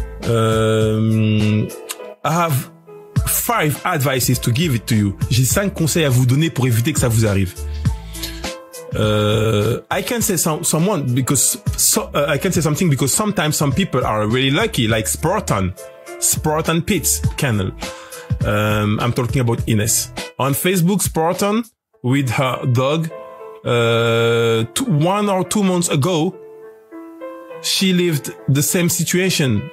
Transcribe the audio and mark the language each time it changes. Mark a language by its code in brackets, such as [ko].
[en] I have 5 advices to give it to you. [fr] J'ai 5 conseils à vous donner pour éviter que ça vous arrive. [en] I can say something because sometimes some people are really lucky, like Spartan Pete's kennel. I'm talking about Ines. On Facebook, Spartan with her dog, one or two months ago, she lived the same situation.